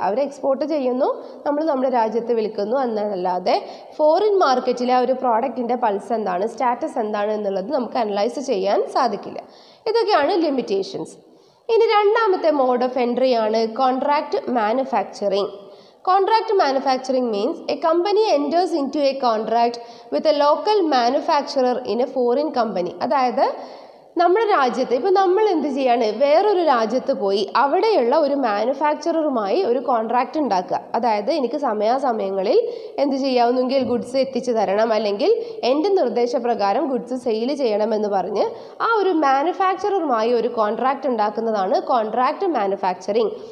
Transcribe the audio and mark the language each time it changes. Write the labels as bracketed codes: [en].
[ml] അവർ export ചെയ്യുന്നു, നമ്മൾ നമ്മുടെ രാജ്യത്ത് വിൽക്കുന്നു എന്നല്ലാതെ ഫോറിൻ മാർക്കറ്റിലെ ആ ഒരു പ്രോഡക്റ്റിൻ്റെ പൾസ് എന്താണ്, സ്റ്റാറ്റസ് എന്താണ് എന്നുള്ളത് നമുക്ക് അനലൈസ് ചെയ്യാൻ സാധിക്കില്ല. ഇതൊക്കെയാണ് ലിമിറ്റേഷൻസ്. ഇനി രണ്ടാമത്തെ mode of എൻട്രിയാണ് contract manufacturing. [en] Contract manufacturing means a company enters into a contract with a local manufacturer in a foreign company. [ml] അതായത് നമ്മുടെ രാജ്യത്ത് ഇപ്പോൾ നമ്മൾ എന്ത് ചെയ്യാണ്, വേറൊരു രാജ്യത്ത് പോയി അവിടെയുള്ള ഒരു മാനുഫാക്ചറുമായി ഒരു കോൺട്രാക്റ്റ് ഉണ്ടാക്കുക. അതായത് എനിക്ക് സമയാസമയങ്ങളിൽ എന്ത് ചെയ്യാവുന്നെങ്കിൽ ഗുഡ്സ് എത്തിച്ചു തരണം, അല്ലെങ്കിൽ എൻ്റെ നിർദ്ദേശപ്രകാരം ഗുഡ്സ് സെയിൽ ചെയ്യണമെന്ന് പറഞ്ഞ് ആ ഒരു മാനുഫാക്ചറുമായി ഒരു കോൺട്രാക്റ്റ് ഉണ്ടാക്കുന്നതാണ് കോൺട്രാക്ട് മാനുഫാക്ചറിങ്.